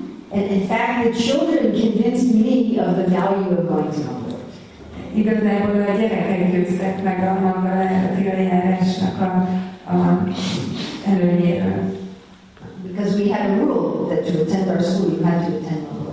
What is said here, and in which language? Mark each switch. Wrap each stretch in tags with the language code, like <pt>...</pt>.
<en>And in fact, the children convinced me of the value of going to Mangalore.</en> <hu>Igazából a gyerekek győztek meg a Mangalartira járásnak a előnyéről.</hu> <en>Because we had a rule that to attend our school you had to attend</en>